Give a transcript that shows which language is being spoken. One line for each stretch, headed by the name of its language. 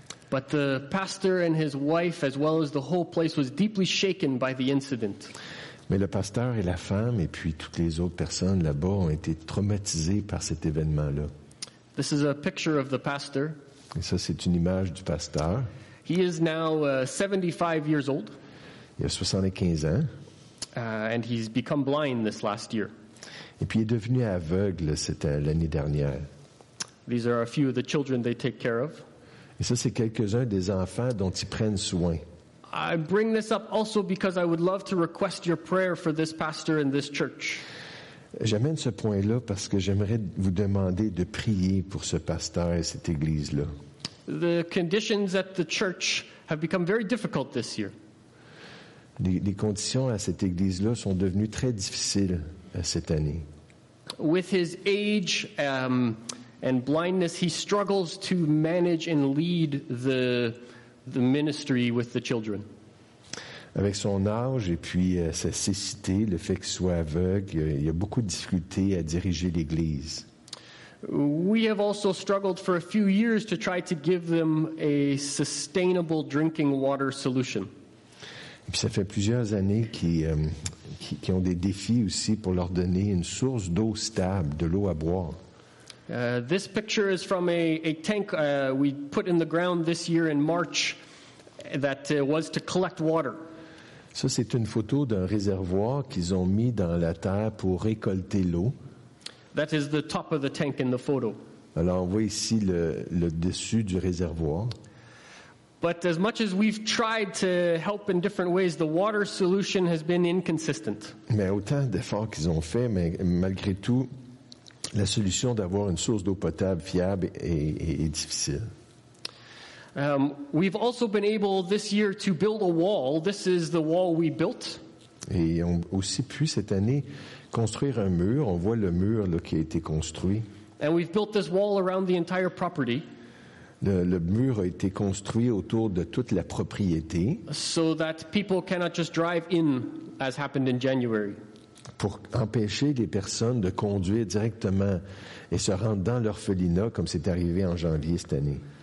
English: But the pastor and his wife, as well as the whole place, was deeply shaken by the incident.
French: Mais le pasteur et la femme, et puis toutes les autres personnes là-bas, ont été traumatisées par cet événement-là.
English: This is a picture of the pastor.
French: Et ça, c'est une image du pasteur.
English: He is now 75 years old.
French: Il a 75 ans.
English: And he's become blind this last year.
French: Et puis il est devenu aveugle l'année dernière.
English: These are a few of the children they take care of.
French: Et ça, c'est quelques-uns des enfants dont ils prennent soin.
English: I bring this up also because I would love to request your prayer for this pastor and this church.
French: J'amène ce point-là parce que j'aimerais vous demander de prier pour ce pasteur et cette église-là.
English: The conditions at the church have become very difficult this year.
French: Les conditions à cette église-là sont devenues très difficiles cette année.
English: With his age and blindness, he struggles to manage and lead the ministry with the children.
French: Avec son âge et puis sa cécité, le fait qu'il soit aveugle, il y a beaucoup de difficultés à diriger l'église.
English: We have also struggled for a few years to try to give them a sustainable drinking water solution.
French: Et puis ça fait plusieurs années qu'ils ont des défis aussi pour leur donner une source d'eau stable, de l'eau à boire.
English: This picture is from a tank we put in the ground this year in March that was to collect water.
French: Ça, c'est une photo d'un réservoir qu'ils ont mis dans la terre pour récolter l'eau.
English: That is the top of the tank in the photo.
French: Alors, on voit ici le dessus du réservoir.
English: But as much as we've tried to help in different ways, the water solution has been inconsistent.
French: Mais autant d'efforts qu'ils ont fait, mais malgré tout, la solution d'avoir une source d'eau potable fiable est difficile.
English: We've also been able this year to build a wall. This is the wall we built.
French: Et on a aussi pu cette année construire un mur. On voit le mur là, qui a été construit.
English: And we've built this wall around the entire property.
French: Le mur a été construit autour de toute la propriété.
English: So that people cannot just drive in, as happened in January.
French: Pour empêcher les personnes de conduire directement et se rendre dans l'orphelinat, comme c'est arrivé en janvier cette année.